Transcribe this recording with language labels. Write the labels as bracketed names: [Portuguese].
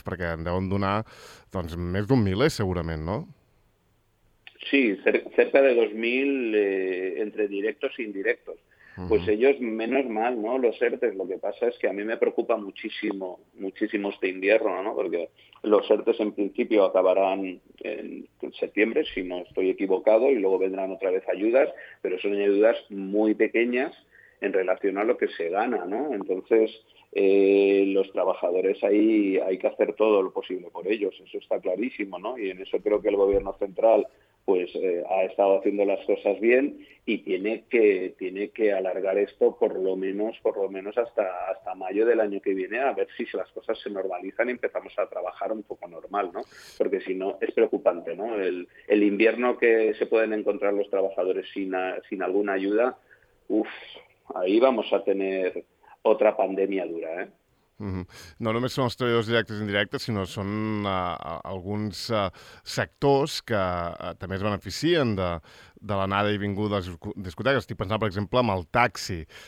[Catalan] Perquè en deuen donar doncs, més d'un miler, segurament, no? [Spanish] Sí, cerca de 2.000 entre directos e indirectos. Pues ellos, menos mal, ¿no? Los ERTES, lo que pasa es que a mí me preocupa muchísimo, muchísimo este invierno, ¿no? Porque los ERTES en principio acabarán en septiembre, si no estoy equivocado, y luego vendrán otra vez ayudas, pero son ayudas muy pequeñas en relación a lo que se gana, ¿no? Entonces, los trabajadores ahí hay que hacer todo lo posible por ellos, eso está clarísimo, ¿no? Y en eso creo que el gobierno central pues ha estado haciendo las cosas bien y tiene que alargar esto por lo menos hasta mayo del año que viene, a ver si las cosas se normalizan y empezamos a trabajar un poco normal, ¿no? Porque si no, es preocupante, ¿no? El invierno que se pueden encontrar los trabajadores sin alguna ayuda, ahí vamos a tener otra pandemia dura, ¿eh? [Catalan] No només són els treballadors directes i indirectes, sinó són alguns sectors que també es beneficien de l'anada i vinguda de les discoteques. Estic pensant, per exemple, amb el taxi.